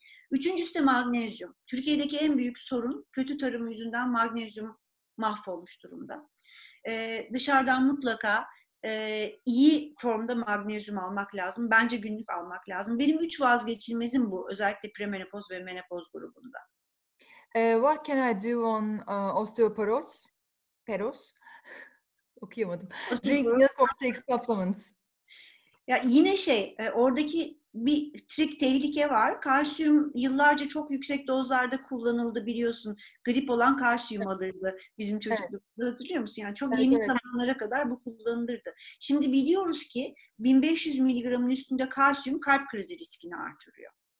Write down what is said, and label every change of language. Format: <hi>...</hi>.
<tr>Üçüncüsü de magnezyum. Türkiye'deki en büyük sorun kötü tarım yüzünden magnezyum mahvolmuş durumda. Dışarıdan mutlaka iyi formda magnezyum almak lazım. Bence günlük almak lazım. Benim 3 vazgeçilmezim bu. Özellikle premenopoz ve menopoz grubunda.</tr> <en>What can I do on osteoporos? Peros?</en> <tr>Okuyamadım.</tr> <en>Drink milk or take supplements.</en> <tr>Ya yine şey, oradaki bir trik, tehlike var. Kalsiyum yıllarca çok yüksek dozlarda kullanıldı biliyorsun. Grip olan kalsiyum alırdı bizim çocukluğumuzda. Evet. Hatırlıyor musun? Yani çok yeni zamanlara kadar bu kullanılırdı. Şimdi biliyoruz ki 1500 miligramın üstünde kalsiyum kalp krizi riskini artırıyor.</tr>